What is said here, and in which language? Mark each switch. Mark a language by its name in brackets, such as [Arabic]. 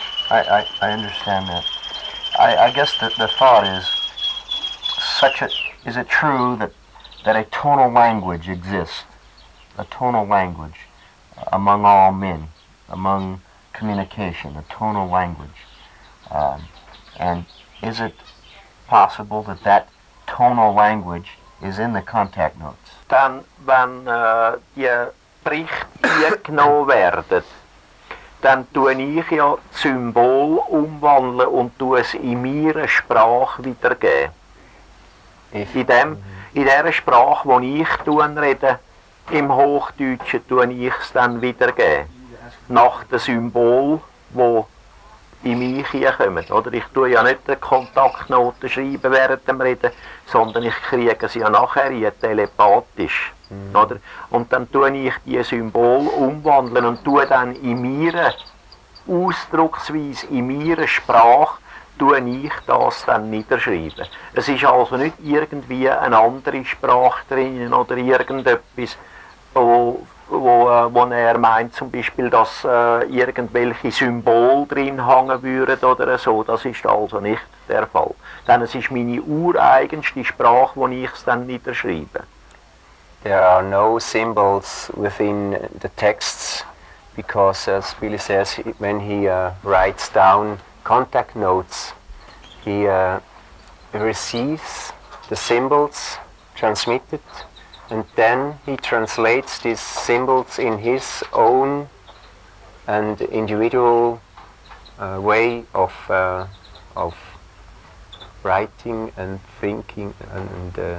[English] I understand that. I guess the thought is, is it true that a tonal language exists, a tonal language among all men, among communication, a tonal language? And is it possible that tonal language is in the contact notes? [German] Dann, wenn die Berichte eingenommen werden, dann tue ich ja Symbol umwandeln und tue es in meiner Sprache wiedergeben. In der Sprache, die ich rede, im Hochdeutschen, tue ich es dann wiedergeben. Nach dem Symbol, wo in mich hinkommen. Oder ich tue ja nicht eine Kontaktnote schreiben während dem Reden, sondern ich kriege sie ja nachher hier telepathisch. Mhm. Oder? Und dann tue ich die Symbol umwandeln und tue dann in meiner Ausdrucksweise, in meiner Sprache, tue ich das dann niederschreiben. Es ist also nicht irgendwie eine andere Sprache drin oder irgendetwas, wo er meint zum Beispiel, dass irgendwelche Symbole drin hängen würden oder so, das ist also nicht der Fall. Denn es ist meine ureigenste Sprache, wo ich es dann niederschreibe. [English] There are no symbols within the texts, because as Billy says, when he writes down contact notes, he receives the symbols transmitted, and then he translates these symbols in his own and individual way of writing and thinking and